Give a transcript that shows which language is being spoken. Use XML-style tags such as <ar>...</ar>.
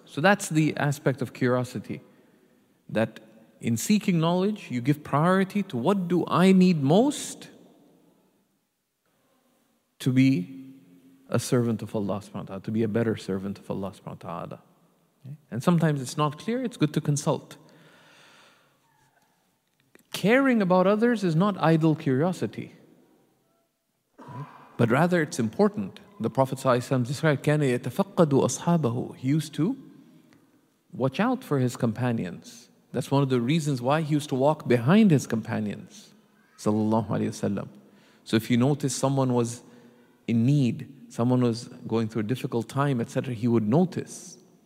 <en>So that's the aspect of curiosity. That in seeking knowledge, you give priority to what do I need most to be a servant of Allah subhanahu wa ta'ala, to be a better servant of Allah subhanahu wa ta'ala. And sometimes it's not clear, it's good to consult. Caring about others is not idle curiosity, but rather it's important. The Prophet ﷺ described,</en> <ar>كَانَ يَتَفَقَّدُ أَصْحَابَهُ.</ar> <en>He used to watch out for his companions. That's one of the reasons why he used to walk behind his companions, sallallahu alayhi wa sallam. So if you notice someone was in need, someone was going through a difficult time, etc., he would notice.</en>